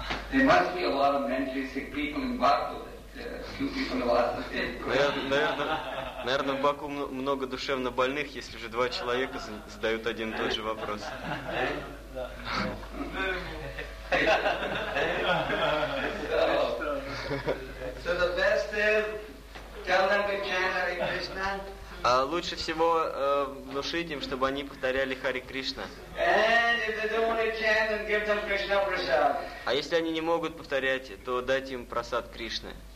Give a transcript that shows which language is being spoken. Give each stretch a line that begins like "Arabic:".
English: There must be a lot of mentally sick people in Baku.
Russian: Наверное, в Баку много душевно больных, если же два человека задают один и тот же вопрос.
English: So the best tell them to chant Hare Krishna.
Russian: А лучше всего внушить им, чтобы они повторяли Хари Кришна. А если они не могут повторять, то дать им просад Кришны.